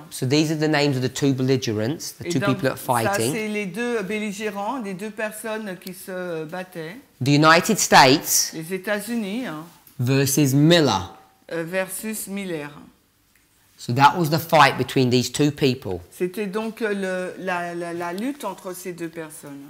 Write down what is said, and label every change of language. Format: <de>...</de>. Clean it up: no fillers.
<en>So these are the names of the two belligerents, the</en> <fr>et</fr> <en>two</en> <fr>donc,</fr> <en>people that are fighting.</en> <fr>Ça, c'est les deux belligérants, les deux personnes qui se battaient.</fr> <en>The United States.</en> <fr>Les États-Unis. Hein.</fr> <en>Versus Miller.</en> <fr>Versus Miller.</fr> <en>So that was the fight between these two people.</en> <fr>C'était donc la lutte entre ces deux personnes.</fr>